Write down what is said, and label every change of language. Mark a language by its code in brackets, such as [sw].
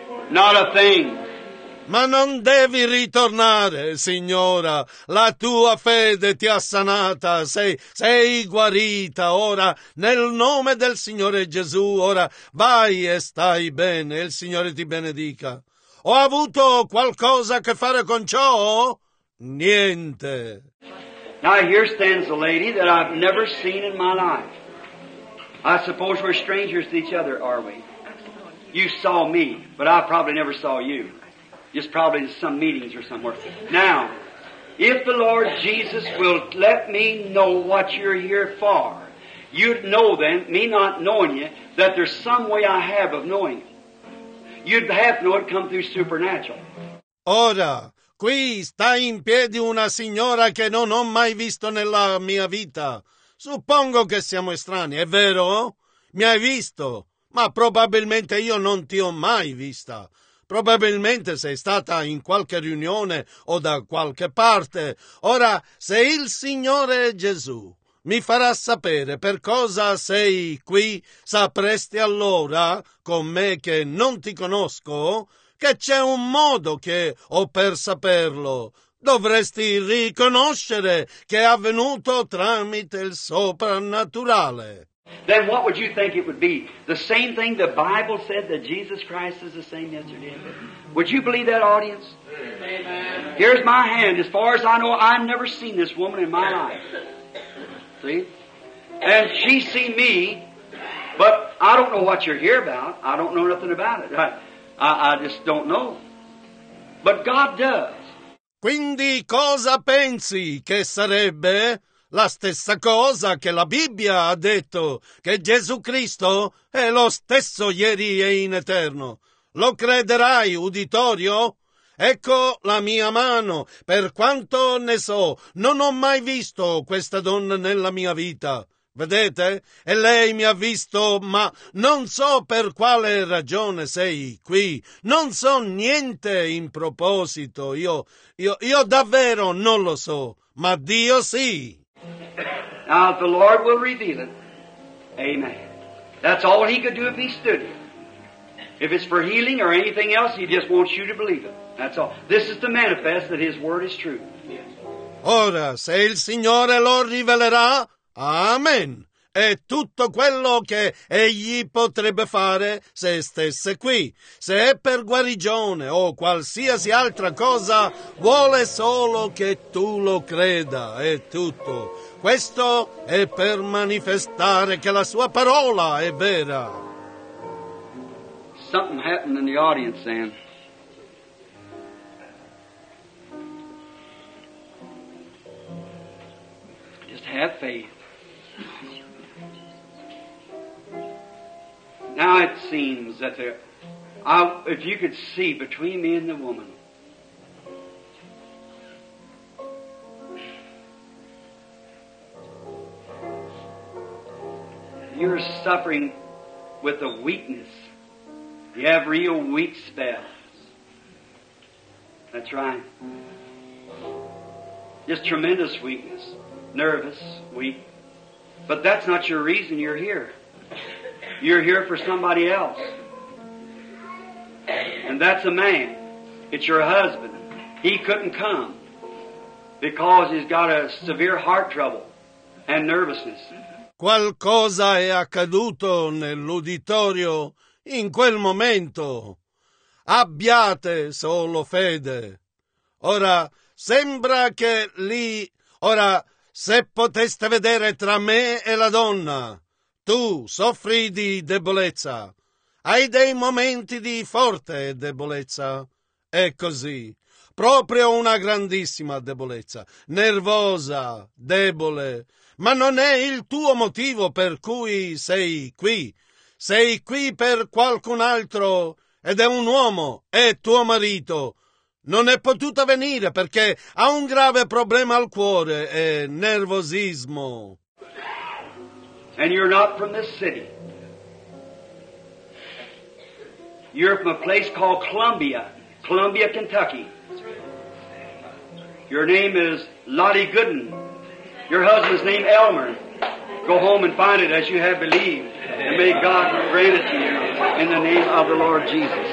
[en] Not a thing. [it] Ma non devi ritornare, signora. La tua fede ti ha sanata. Sei guarita ora. Nel nome del Signore Gesù, ora vai e stai bene. Il Signore ti benedica. Ho avuto qualcosa a che fare con ciò? Niente. [en] Now here stands a lady that I've never seen in my life. I suppose we're strangers to each other, are we? You saw me, but I probably never saw you. Just probably in some meetings or somewhere. Now, if the Lord Jesus will let me know what you're here for, you'd know then, me not knowing you, that there's some way I have of knowing it. You'd have to know it come through supernatural. [it] Ora, qui sta in piedi una signora che non ho mai visto nella mia vita. Suppongo che siamo estranei, è vero? Mi hai visto? Ma probabilmente io non ti ho mai vista. Probabilmente sei stata in qualche riunione o da qualche parte. Ora, se il Signore Gesù mi farà sapere per cosa sei qui, sapresti allora, con me che non ti conosco, che c'è un modo che ho per saperlo. Dovresti riconoscere che è avvenuto tramite il soprannaturale. [en] Then what would you think it would be? The same thing the Bible said, that Jesus Christ is the same yesterday. Would you believe that, audience? Amen. Here's my hand. As far as I know, I've never seen this woman in my life. See? And she seen me, but I don't know what you're here about. I don't know nothing about it. I just don't know. But God does. [it] Quindi cosa pensi che sarebbe? La stessa cosa che la Bibbia ha detto, che Gesù Cristo è lo stesso ieri e in eterno. Lo crederai, uditorio? Ecco la mia mano. Per quanto ne so, non ho mai visto questa donna nella mia vita. Vedete? E lei mi ha visto, ma non so per quale ragione sei qui. Non so niente in proposito. Io davvero non lo so, ma Dio sì. [en] Now the Lord will reveal it. Amen. That's all he could do if he stood here. If it's for healing or anything else, he just wants you to believe it. That's all. This is to manifest that his word is true. [it] Ora, se il Signore lo rivelerà, amen. È tutto quello che egli potrebbe fare se stesse qui. Se è per guarigione o qualsiasi altra cosa, vuole solo che tu lo creda, è tutto. Questo è per manifestare che la sua parola è vera. [en] Something happened in the audience then. Just have faith. Now it seems that if you could see between me and the woman, you're suffering with a weakness. You have real weak spells. That's right. Just tremendous weakness. Nervous, weak. But that's not your reason you're here. You're here for somebody else. And that's a man. It's your husband. He couldn't come because he's got a severe heart trouble and nervousness. [it] Qualcosa è accaduto nell'uditorio in quel momento. Abbiate solo fede. Ora, sembra che lì... Ora, se poteste vedere tra me e la donna, tu soffri di debolezza. Hai dei momenti di forte debolezza. È così. Proprio una grandissima debolezza. Nervosa, debole. Ma non è il tuo motivo per cui sei qui. Sei qui per qualcun altro... Ed è un uomo, è tuo marito. Non è potuta venire perché ha un grave problema al cuore e nervosismo. [en] And you're not from this city. You're from a place called Columbia, Columbia, Kentucky. Your name is Lottie Gooden. Your husband's name Elmer. Go home and find it as you have believed. And may God grant it to you in the name of the Lord Jesus.